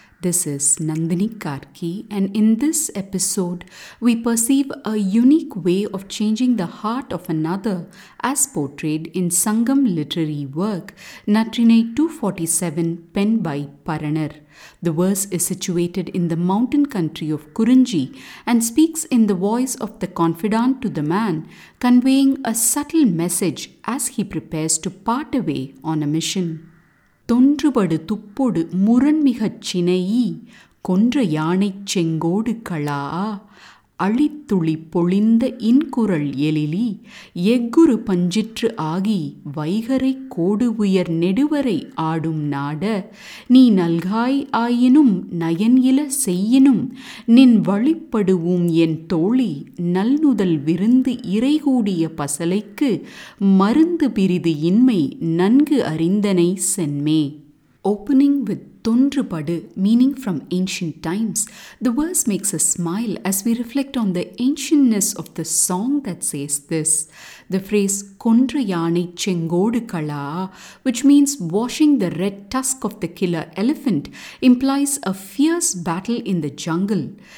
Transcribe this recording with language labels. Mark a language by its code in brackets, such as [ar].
[en] This is Nandini Karki, and in this episode, we perceive a unique way of changing the heart of another as portrayed in Sangam literary work, Natrinai 247, penned by Paranar. The verse is situated in the mountain country of Kurinji and speaks in the voice of the confidant to the man, conveying a subtle message as he prepares to part away on a mission. [ta] தொன்றுபடு துப்போடு முரண்மிகச் சினையி கொன்ற யானைச் செங்கோடு களா அழித்துளி பொழிந்த இன்குரல் எலிலி எக்குரு பஞ்சிற்று ஆகி வைகரை கோடு உயர் நெடுவரை ஆடும் நாட நீ நல்காய் ஆயினும் நயன்இல செய்யினும் நின் வழிப்படுவோம் என் தோழி நல்நுதல் விருந்து இறைகூடிய பசலைக்கு மருந்து பிரிது இன்மை நன்கு அறிந்தனை சென்மே. [en] Opening with Tundrupadu, meaning from ancient times, the verse makes us smile as we reflect on the ancientness of the song that says this. The phrase [ta] Kondra Yane Chengodu Kala, [en] which means washing the red tusk of the killer elephant, implies a fierce battle in the jungle.